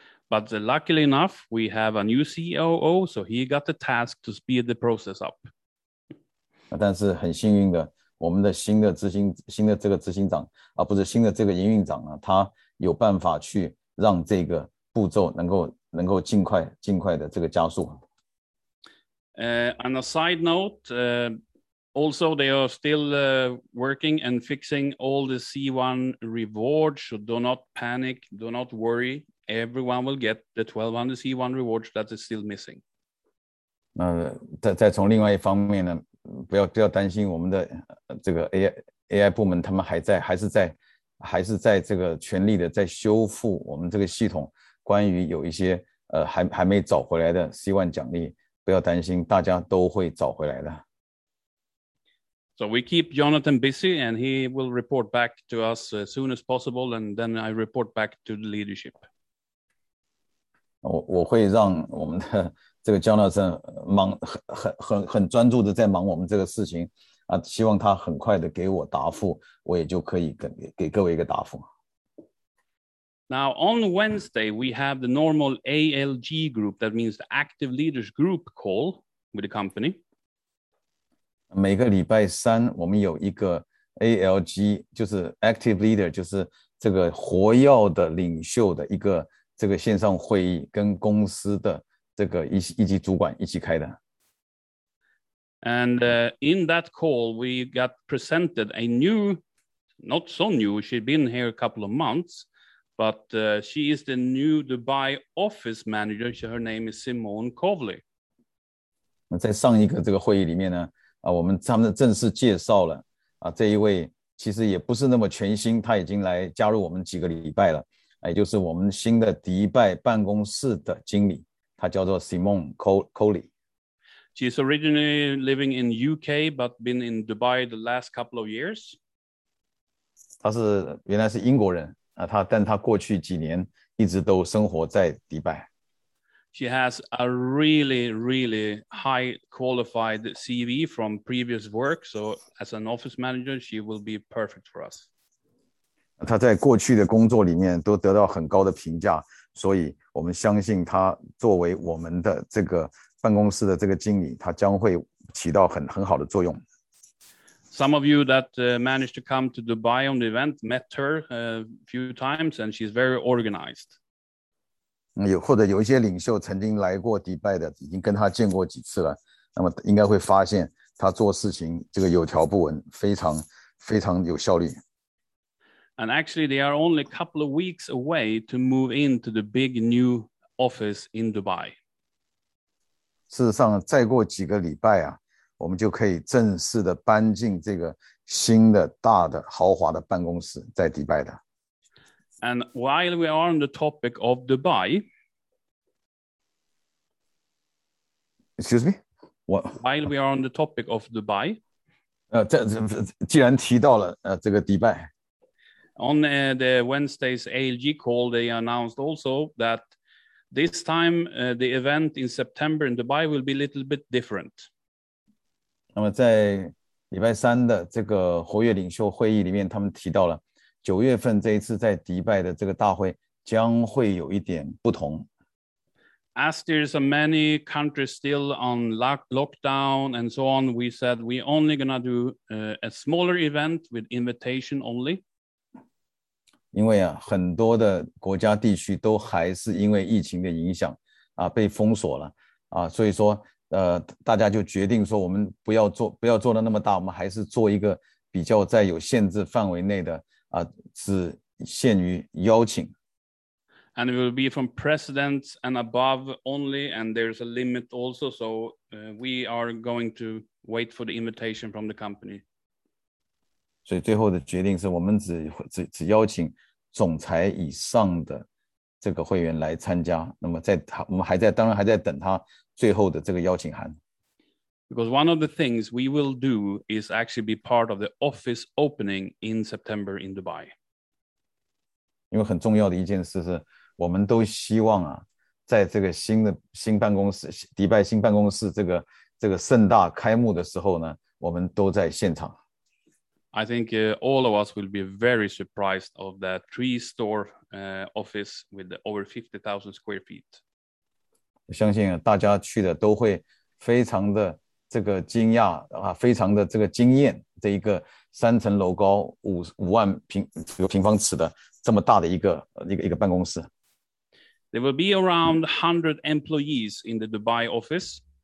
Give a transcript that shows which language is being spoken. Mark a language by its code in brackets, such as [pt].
[en] But luckily enough, we have a new COO, so he got the task to speed the process up. [zh] 但是很幸运的，我们的新的执行，新的这个执行长，啊，不是新的这个营运长啊，他有办法去让这个步骤能够尽快的这个加速。 [en] On a side note, also they are still working and fixing all the C1 rewards, so do not panic, do not worry. Everyone will get the 1200 C1 rewards that is still missing. [zh] 再从另外一方面呢，不要担心我们的这个 AI 部门，他们还是在这个全力的在修复我们这个系统，关于有一些还没找回来的 C1 奖励，不要担心，大家都会找回来的。 [en] So we keep Jonathan busy and he will report back to us as soon as possible and then I report back to the leadership. [zh] 我会让我们的这个 Jonathan 忙 很专注的在忙我们这个事情，啊，希望他很快的给我答复，我也就可以 给各位一个答复。 [en] Now on Wednesday, we have the normal ALG group, that means the active leaders group call with the company. [zh] 每个礼拜三我们有一个 ALG, 就是 [en] active leader, [zh] 就是这个活跃的领袖的一个这个线上会议，跟公司的这个一级主管一起开的。 [en] And in that call, we got presented a new, not so new, she'd been here a couple of months, but she is the new Dubai office manager. Her name is Simone Kovley. [zh] 在上一个这个会议里面呢，我们他们正式介绍了，这一位其实也不是那么全新，他已经来加入我们几个礼拜了。也就是我们新的迪拜办公室的经理，他叫做 Simone Kovley. [en] She's originally living in UK, but been in Dubai the last couple of years. [zh] 他是原来是英国人，但他过去几年一直都生活在迪拜。 [en] She has a really, really high qualified CV from previous work, so as an office manager, she will be perfect for us. [zh] 他在过去的工作里面都得到很高的评价，所以我们相信他作为我们的这个办公室的这个经理，他将会起到很好的作用。 [en] Some of you that managed to come to Dubai on the event met her a few times, and she's very organized. [zh] 或者有一些领袖曾经来过迪拜的，已经跟他见过几次了，那么应该会发现他做事情这个有条不紊，非常非常有效率。 [en] And actually, they are only a couple of weeks away to move into the big new office in Dubai. [zh] 事实上，再过几个礼拜啊，我们就可以正式的搬进这个新的大的豪华的办公室，在迪拜的。 [en] And while we are on the topic of Dubai, excuse me, what? While we are on the topic of Dubai, [zh] 既然提到了这个迪拜。 [en] On the Wednesday's ALG call, they announced also that this time the event in September in Dubai will be a little bit different. [zh] 那么在礼拜三的这个活跃领袖会议里面，他们提到了九月份这一次在迪拜的这个大会将会有一点不同。 [en] As there's many countries still on lockdown and so on, we said we're only going to do a smaller event with invitation only. [zh] 因为很多的国家地区都还是因为疫情的影响被封锁了所以说大家就决定说我们不要做的那么大，我们还是做一个比较在有限制范围内的只限于邀请。 [en] And it will be from presidents and above only, and there's a limit also, so we are going to wait for the invitation from the company. [zh] 所以最后的决定是我们 只邀请总裁以上的这个会员来参加，那么在他我们还在当然还在等他最后的这个邀请函。 [en] Because one of the things we will do is actually be part of the office opening in September in Dubai. [zh] 因为很重要的一件事是我们都希望在这个新办公室迪拜新办公室这个盛大开幕的时候呢，我们都在现场。 [en] I think all of us will be very surprised of that three-store office with over 50,000 square feet. [zh] 相信大家去的都会非常的这个惊讶啊，非常的这个惊艳，这一个三层楼高五万平方尺的这么大的一个办公室。 [en] There will be around 100 employees in the Dubai office.